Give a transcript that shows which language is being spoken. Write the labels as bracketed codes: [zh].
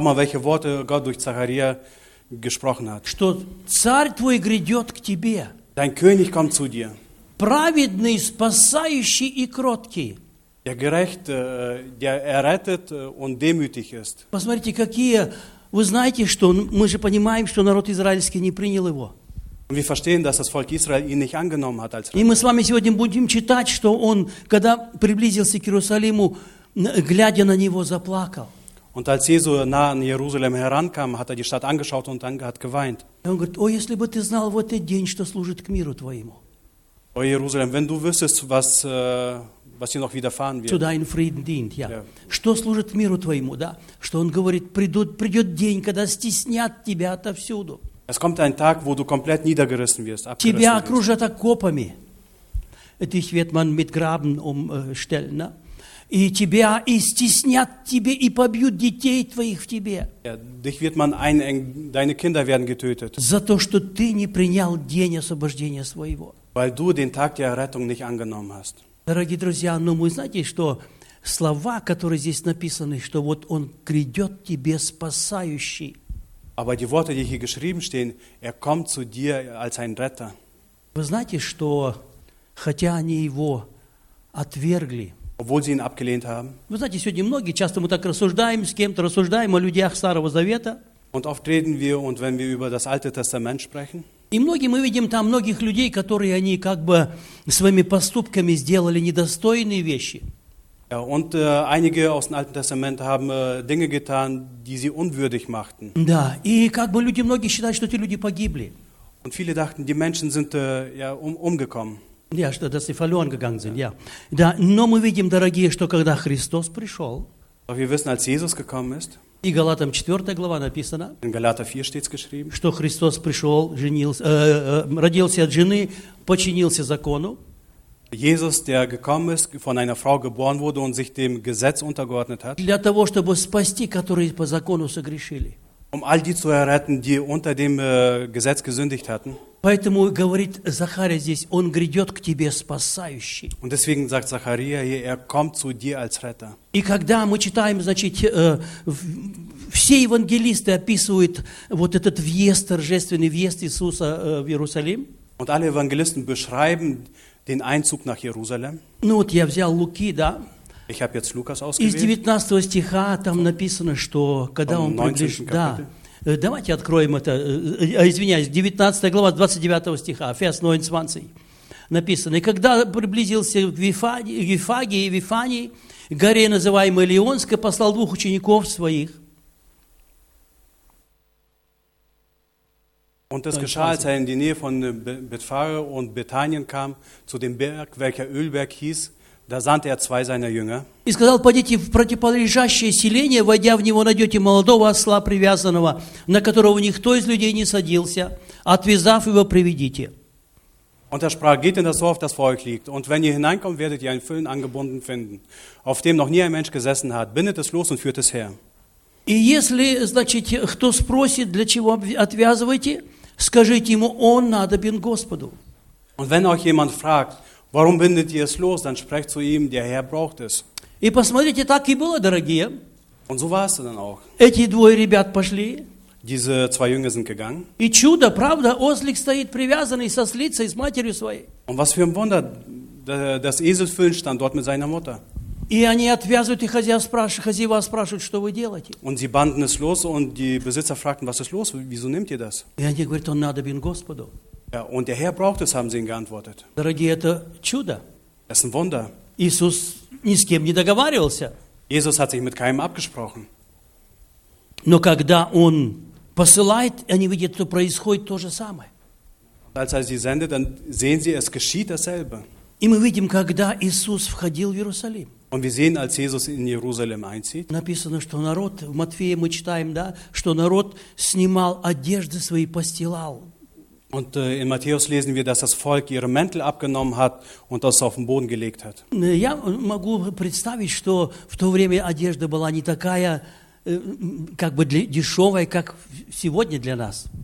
[de] mal, welche Worte Gott durch Zacharia gesprochen hat. [ru] Что царь твой грядет к тебе. [de] Dein König kommt zu dir. [ru] Праведный, спасающий и кроткий. [de] Der gerecht, der errettet und demütig ist. [ru] Посмотрите, какие, вы знаете, что мы же понимаем, что народ израильский не принял его. [de] Und wir verstehen, dass das Volk Israel ihn nicht angenommen hat als. [ru] И мы с вами сегодня будем читать, что он, когда приблизился к Иерусалиму, глядя на него, заплакал. [de] Und als Jesus nah an Jerusalem herankam, hat die Stadt angeschaut und dann hat geweint. [ru] И он говорит: «О, если бы ты знал в этот день, что служит к миру твоему». [de] О, Иерусалим, wenn du wüsstest, was was hier noch widerfahren wird. Zu deinem Frieden dient, ja. [ru] Что служит миру твоему, да? Что он говорит, придет день, когда стеснят тебя отовсюду. [de] Es kommt ein Tag, wo du komplett niedergerissen wirst, abgerissen wirst. [ru] Тебя окружат окопами. [de] Dich wird man mit Graben umstellen, ne? [ru] И тебя, и стеснят тебе, и побьют детей твоих в тебе. [de] Ja, dich wird man einengen, deine Kinder werden getötet. [ru] За то, что ты не принял день освобождения своего. [de] Weil du den Tag der Errettung nicht angenommen hast. [ru] Дорогие друзья, но мы знаете, что слова, которые здесь написаны, что вот он грядет тебе спасающий. [de] Aber die Worte, die hier geschrieben stehen, er kommt zu dir als ein Retter. [ru] Вы знаете, что хотя они его отвергли. [de] Obwohl sie ihn abgelehnt haben. [ru] Вы знаете, сегодня многие часто мы так рассуждаем с кем-то, рассуждаем о людях Старого Завета. [de] Und oft reden wir und wenn wir über das Alte Testament sprechen. [ru] И многие мы видим там многих людей, которые они как бы своими поступками сделали недостойные вещи. [de] Ja, und einige aus dem Alten Testament haben Dinge getan, die sie unwürdig machten. [ru] Да, и как бы люди многие считают, что эти люди погибли. [de] Und viele dachten, die Menschen sind umgekommen. Ja, [ru] что, [de] dass sie verloren gegangen sind, ja. [ru] Да, но мы видим, дорогие, что когда Христос пришел, [de] Aber wir wissen, als Jesus gekommen ist, [ru] и Галатам 4 глава написано, [de] in Galater 4 steht's geschrieben, [ru] что Христос пришел, родился от жены, подчинился закону, [de] Jesus, der gekommen ist, von einer Frau geboren wurde und sich dem Gesetz untergeordnet hat, [ru] для того, чтобы спасти, которые по закону согрешили, [de] um all die zu erretten, die unter dem Gesetz gesündigt hatten. [ru] Поэтому говорит Захария здесь, он грядет к тебе спасающий. [de] Und deswegen sagt Zacharia hier, er kommt zu dir als Retter. [ru] И когда мы читаем, значит, все евангелисты описывают вот этот въезд, торжественный въезд Иисуса в Иерусалим. [de] Und alle Evangelisten beschreiben den Einzug nach Jerusalem. [ru] Ну вот я взял Луки, да. [de] Ich habe jetzt Lukas ausgewählt. [ru] Из 19 стиха там написано, что когда он приближается, да. Давайте откроем это, извиняюсь, 19 глава 29 стиха, Фес 9:20, написано. «И когда приблизился к Вифагии и Вифании, горе, называемой Леонской, послал двух учеников своих». [de] Und es geschah, als er in die Nähe von Bethphage und Bethanien kam, zu dem Berg, welcher Ölberg hieß, da sandte er zwei seiner Jünger. [ru] И сказал, пойдите в противоположащее селение, войдя в него, найдете молодого осла привязанного, на которого никто из людей не садился, отвязав его, приведите. [de] Und er sprach, geht in das Dorf, das vor euch liegt, und wenn ihr hineinkommt, werdet ihr einen Füllen angebunden finden, auf dem noch nie ein Mensch gesessen hat. Bindet es los und führt es her. [ru] И если, значит, кто спросит, для чего отвязываете, скажите ему, он надобен Господу. [de] Und wenn euch jemand fragt, warum bindet ihr es los, dann sprecht zu ihm, der Herr braucht es. [ru] И посмотрите, так и было, дорогие. [de] Und so war es dann auch. [ru] Эти двое ребят пошли. [de] Diese zwei Jünger sind gegangen. [ru] И чудо, правда, ослик стоит привязанный со слицей, с матерью своей. [de] Und was für ein Wunder, das Eselfüllen stand dort mit seiner Mutter. [ru] И они отвязывают, и хозяева спрашивают, что вы делаете. [de] Und sie banden es los, und die Besitzer fragten, was ist los, wieso nehmt ihr das? [ru] И они говорят, он надобен Господу. [de] Ja, und der Herr braucht es, haben sie ihn geantwortet. [ru] Дорогие, это чудо. [de] Das ist ein Wunder. [ru] Иисус ни с кем не договаривался. [de] Jesus hat sich mit keinem abgesprochen. [ru] Но когда он посылает, они видят, что происходит то же самое. [de] Als er sie sendet, dann sehen sie, es geschieht dasselbe. [ru] И мы видим, когда Иисус входил в Иерусалим. [de] Und wir sehen, als Jesus in Jerusalem einzieht. [ru] Написано, что народ, в Матфея мы читаем, да, что народ снимал одежды свои, постилал. [de] Und in Matthäus lesen wir, dass das Volk ihre Mäntel abgenommen hat und das auf den Boden gelegt hat. [ru] Я могу представить, что в то время одежда была не такая, как бы дешевая, как сегодня для нас.